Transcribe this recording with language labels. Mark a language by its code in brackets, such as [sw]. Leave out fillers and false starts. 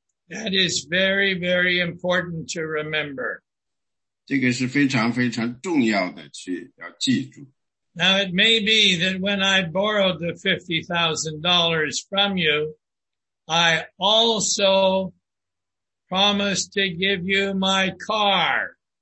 [en] That is very, very important to remember. [zh] 这个是非常非常重要的去要记住。 [en] Now it may be that when I borrowed the $50,000 from you, I also promised to give you my car.